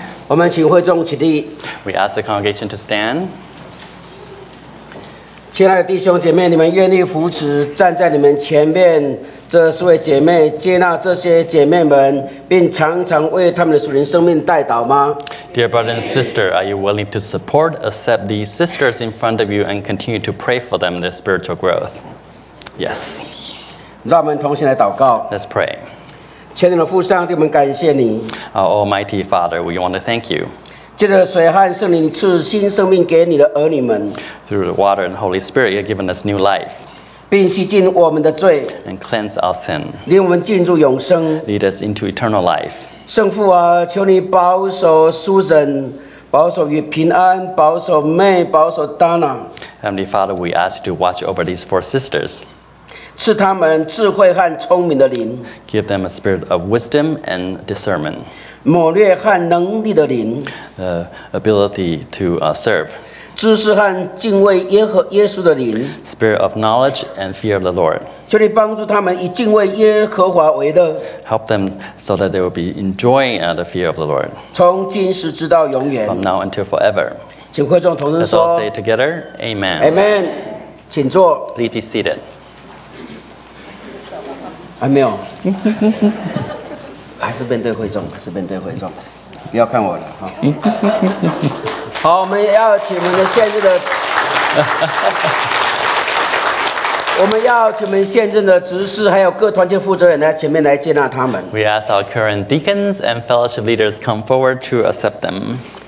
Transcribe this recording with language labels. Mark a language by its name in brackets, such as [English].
[Chinese] 我们请会众起立。 [English] We ask the congregation to stand. [Chinese] 亲爱的弟兄姐妹，你们愿意扶持站在你们前面这四位姐妹，接纳这些姐妹们，并常常为他们的属灵生命代祷吗 [English] ？Dear brother and sister, are you willing to support, accept these sisters in front of you, and continue to pray for them their spiritual growth? Yes. [Chinese] 让我们同心来祷告。 [English] Let's pray. [Chinese] 全能的父上帝，我们感谢你。 [English] Our Almighty Father, we want to thank you. [Chinese] 借着水和圣灵赐新生命给你的儿女们。 [English] Through the water and Holy Spirit, you've given us new life. [Chinese] 并洗净我们的罪。 [English] And cleanse our sin. [Chinese] 领我们进入永生。 [English] Lead us into eternal life. [Chinese] 圣父啊，求你保守 Susan, 保守与平安，保守 May, 保守 Donna. [English] Heavenly Father, we ask you to watch over these four sisters. [Chinese] 赐他们智慧和聪明的灵。 [English] Give them a spirit of wisdom and discernment. [Chinese] 谋略和能力的灵 [English] ability to serve [Chinese] 知识和敬畏耶稣的灵 [English] spirit of knowledge and fear of the Lord [Chinese] 求你帮助他们以敬畏耶和华为乐 [English] help them so that they will be enjoying the fear of the Lord [Chinese] 从今时直到永远 [English] from now until forever [Chinese] 请会众同声说 [English] let's all say it together, Amen [Chinese] Amen 请坐 [English] please be seated [Chinese] 还没有还是面对会众，是面对会众，不要看我了哈。好，我们要请我们的现任的，我们要请我们现任的执事，还有各团契负责人来前面来接纳他们。 [English] We ask our current deacons and fellowship leaders come forward to accept them.